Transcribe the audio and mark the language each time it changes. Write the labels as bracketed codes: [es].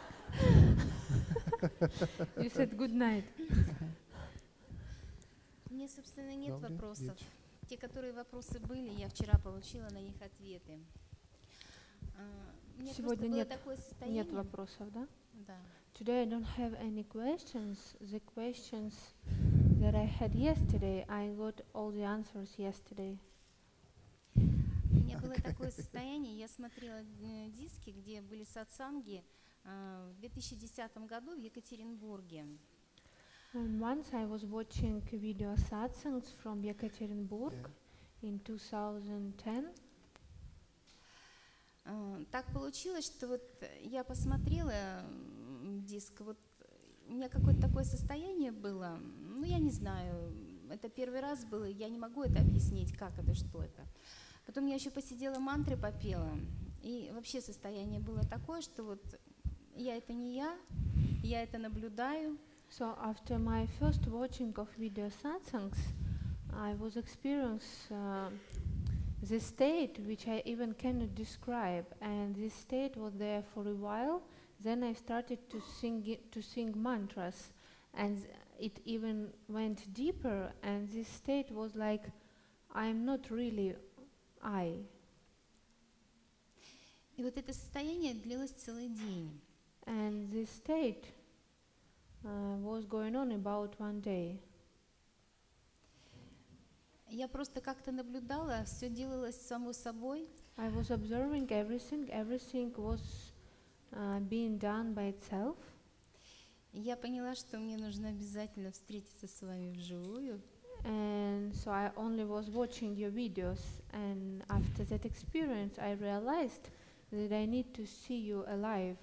[en] You said good night. [ru] Мне, собственно, нет вопросов. Те, которые вопросы были, я вчера получила на них ответы. Сегодня нет вопросов, да? Да. [en] Today I don't have any questions. The questions that I had yesterday, I got all the answers yesterday. [ru] У меня было такое состояние, я смотрела диски, где были сатсанги в 2010 году в Екатеринбурге. [en] And once I was watching video satsangs from Yekaterinburg in 2010. [ru] Так получилось, что вот я посмотрела диск, вот у меня какое-то такое состояние было, ну я не знаю, это первый раз было, я не могу это объяснить, как это, что это. Потом я еще посидела, мантры попела, и вообще состояние было такое, что вот я это не я, я это наблюдаю. [en] So after my first watching of video satsangs, I was experiencing the state which I even cannot describe, and this state was there for a while. Then I started to sing mantras, and it even went deeper. And this state was like, I'm not really I. [ru] И вот это состояние длилось целый день. [en] And this state was going on about one day. [ru] Я просто как-то наблюдала, все делалось само собой. [en] I was observing everything. Everything was being done by itself. [ru] Я поняла, что мне нужно обязательно встретиться с вами вживую. [en] And so I only was watching your videos, and after that experience, I realized that I need to see you alive.